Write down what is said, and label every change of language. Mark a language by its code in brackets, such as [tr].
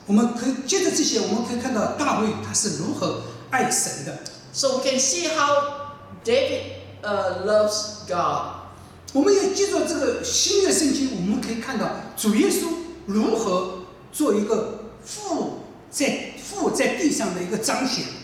[zh] 我们可以接着这些，我们可以看到大卫他是如何爱神的。 [en] So we can see how David loves God. [zh] 我们也借着这个新约圣经，我们可以看到主耶稣。如何做一个父在地上的一个彰显